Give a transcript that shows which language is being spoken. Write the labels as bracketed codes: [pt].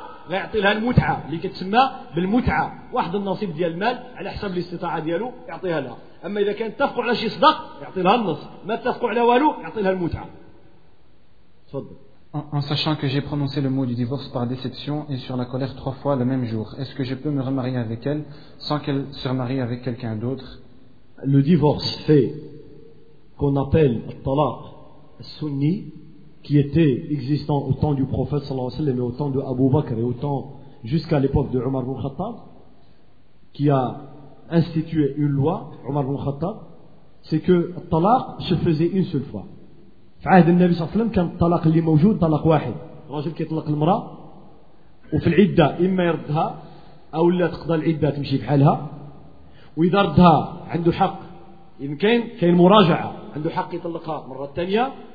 [ar] يعطيها المتعة اللي كتسمى بالمتعة واحد النصيب ديال المال على حسب الاستطاعة ديالو يعطيها لها. أما إذا كانت تفقع على شي صدق يعطيها النص ما تفقع على والو يعطيها المتعة. تفضل. [fr] En sachant que j'ai prononcé le mot du divorce par déception et sur la colère trois fois le même jour, est-ce que je peux me remarier avec elle sans qu'elle se remarie avec quelqu'un d'autre? Le divorce fait qu'on appelle talaq sunni, qui était existant au temps du prophète [ar] sallallahu alayhi wa sallam [fr] et au temps de Abu Bakr et au temps jusqu'à l'époque de Omar ibn Khattab, qui a institué une loi, Omar ibn Khattab, c'est que le talaq se faisait une seule fois. [ar] فعهد النبي صلى الله عليه وسلم كان الطلاق اللي موجود طلاق واحد. الراجل كيطلق المراه وفي العده اما يردها او لا تقضى العده تمشي بحالها. واذا ردها عنده حق يمكن كاين مراجعه عنده حق يطلقها مره ثانيه.